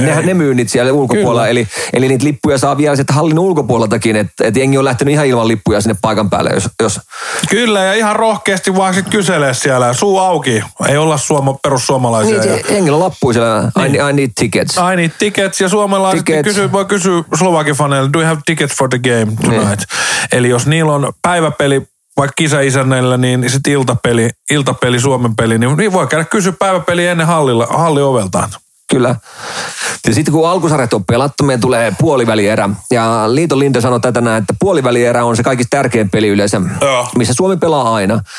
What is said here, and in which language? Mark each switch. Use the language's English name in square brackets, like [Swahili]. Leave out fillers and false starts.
[Finnish] Nehän ne myy niitä siellä ulkopuolella, eli niitä lippuja saa vielä sieltä hallin ulkopuoleltakin, että jengi on lähtenyt ihan ilman lippuja sinne paikan päälle. Jos. Kyllä, ja ihan rohkeasti vaan sitten kyselee siellä, suu auki, ei olla perussuomalaisia. Niin, jengi on lappu siellä, [English] I need tickets. I need tickets, [Finnish] ja suomalaiset [English] tickets. [Finnish] Voi kysyä Slovakin faneille, [English] do you have tickets for the game tonight? [Finnish] Niin. Eli jos niillä on päiväpeli, vaikka kisa-isännellä, niin sitten iltapeli, Suomen peli, niin voi käydä kysyä päiväpeliä ennen halli oveltaan. Kyllä. Ja sitten kun alkusarjat on pelattu, meidän tulee puolivälierä. Ja Liiton Linde sanoi tätä näin, että puolivälierä on se kaikista tärkein peli yleensä, missä Suomi pelaa aina.